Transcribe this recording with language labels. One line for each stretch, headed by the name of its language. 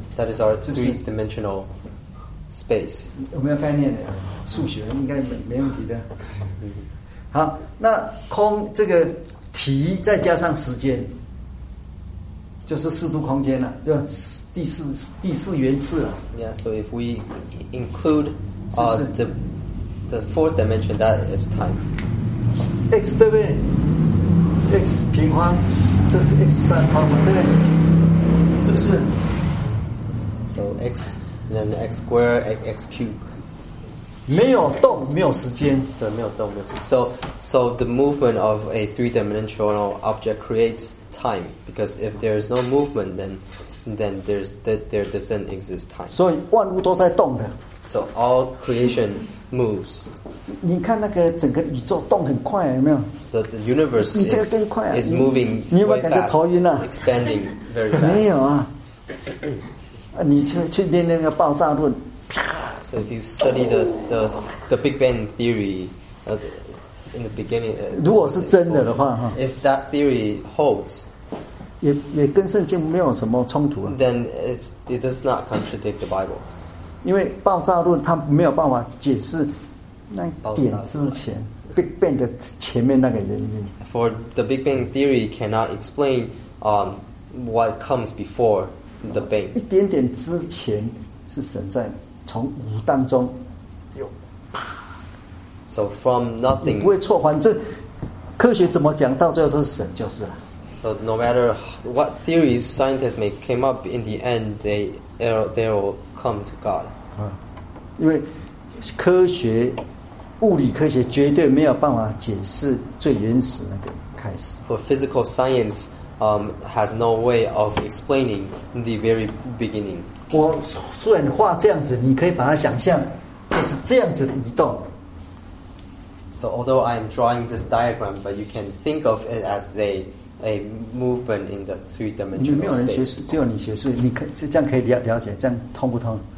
English: That is our three dimensional space
Chinese: 有没有概念数学应该 没问题的好，那空这个体再加上时间，就是四度空间了，就第四元次了。
English: Yeah, so if we include the fourth dimension, that is time.
Chinese: X 对不对 ？X 平方，这是 X 三方嘛，对不对？是不是
English: ？So x then x squared, x cube.
Chinese: 没有动，没有时间。对，没有动，没有时间。
English: So the movement of a three-dimensional object creates time because if there is no movement, then there doesn't exist time.
Chinese: 所以万物都在动的。
English: So all creation moves.
Chinese: 你看那个整个宇宙动很快，有没有
English: ？The universe
Chinese: 你这个更快啊、
English: is moving.
Chinese: 你有没有感觉头晕啊
English: ？Expanding very fast.
Chinese: 没有啊。你去练那个爆炸论。
English: So if you study the Big Bang theory in the beginning,
Chinese: 如果是真的的话,
English: if that theory holds,
Chinese: 也跟圣经没有什么冲突,
English: then it does not contradict the Bible.
Chinese: 因为爆炸论它没有办法解释那点之前, Big Bang 的前面那个原因。
English: For the Big Bang theory cannot explain what comes before the Bang.
Chinese: 一点点之前是神在。从武当中,
English: so from nothing,
Chinese: 你不会错, 反正, 科学怎么讲, 到最后就是神就是了。
English: So no matter what theories scientists may came up, in the end they will come to God.
Chinese: 因为科学, 物理科学, 绝对没有办法解释最原始那个开始。
English: For physical science has no way of explaining the very beginning.
Chinese: 我虽然画这样子，你可以把它想象，就是这样子的移动。
English: So although I am drawing this diagram, but you can think of it as a movement in the three dimensional space.
Chinese: 没有人学术，只有你学术，你可以这样可以了解，这样通不通？